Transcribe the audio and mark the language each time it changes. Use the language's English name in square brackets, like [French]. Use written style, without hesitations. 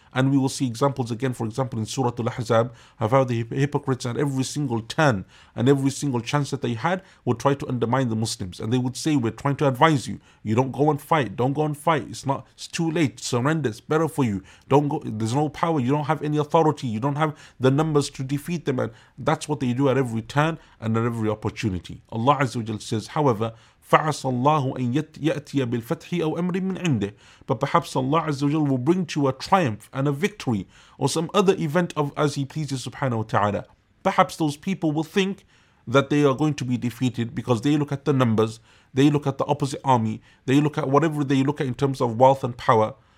[English] And we will see examples again, for example, in Surah Al-Ahzab, of how the hypocrites at every single turn and every single chance that they had would try to undermine the Muslims. And they would say, we're trying to advise you, you don't go and fight, don't go and fight, it's too late, surrender, it's better for you, don't go, there's no power, you don't have any authority, you don't have the numbers to defeat them. And that's what they do at every turn and at every opportunity. Allah Azza wa Jal says, however, [Arabic] فَعَسَ اللَّهُ أَن يَأْتِيَ بِالْفَتْحِ أَوْ أَمْرٍ مِّنْ عِنْدِهِ. [English] But perhaps Allah Azza wa Jal will bring to you a triumph and a victory, or some other event of as He pleases subhanahu wa ta'ala. Perhaps those people will think that they are going to be defeated, because they look at the numbers, they look at the opposite army, they look at whatever they look at in terms of wealth and power.